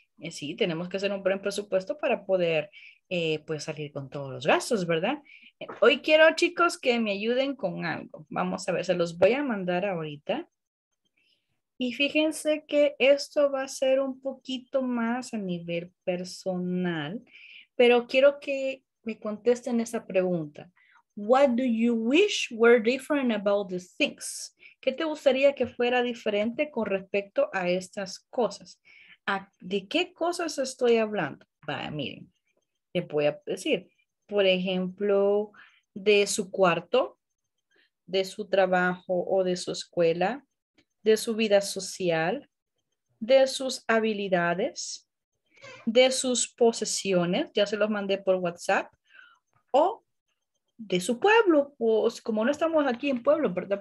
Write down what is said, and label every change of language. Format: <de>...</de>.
<es>Sí, tenemos que hacer un buen presupuesto para poder pues salir con todos los gastos, ¿verdad? Hoy quiero, chicos, que me ayuden con algo. Vamos a ver, se los voy a mandar ahorita. Y fíjense que esto va a ser un poquito más a nivel personal. Pero quiero que me contesten esa pregunta.</es> <en>What do you wish were different about these things?</en> <es>¿Qué te gustaría que fuera diferente con respecto a estas cosas? ¿De qué cosas estoy hablando? Vaya, miren, les voy a decir. Por ejemplo, de su cuarto, de su trabajo o de su escuela, de su vida social, de sus habilidades, de sus posesiones, ya se los mandé por WhatsApp, o de su pueblo, pues como no estamos aquí en pueblo, ¿verdad?</es>